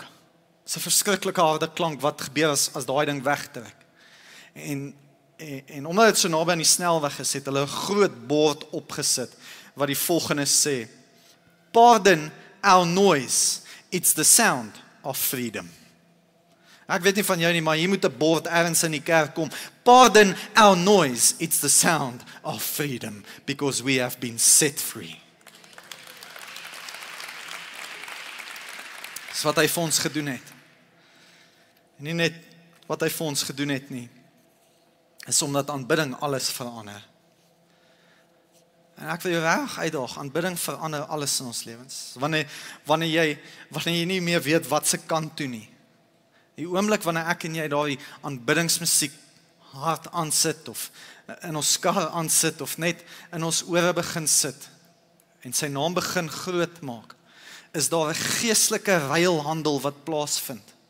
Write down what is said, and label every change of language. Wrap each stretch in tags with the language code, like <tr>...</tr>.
<af>Het is een verskrikkelijke harde klank wat gebeur as die ding wegtrek. En omdat het so naby aan die snelweg is, het hulle een groot bord opgesit, wat die volgende sê, pardon</af> <en>our noise. It's the sound of freedom.</en> <af>Ek weet nie van jou nie, maar hier moet 'n bord ergens in die kerk kom.</af> <en>Pardon our noise. It's the sound of freedom. Because we have been set free.</en> <af>Dis wat hy vir ons gedoen het. Nie net wat hy vir ons gedoen het nie. Is omdat aanbidding alles verander. En ek wil jou reg uitdaag, aanbidding verander alles in ons lewens. Wanneer jy nie meer weet wat se kant toe nie. Die oomblik wanneer ek en jy daai aanbiddingsmusiek hard aansit of in ons kar aansit of net in ons ore begin sit en sy naam begin groot maak, is daar 'n geestelike ruilhandel wat plaasvind.</af>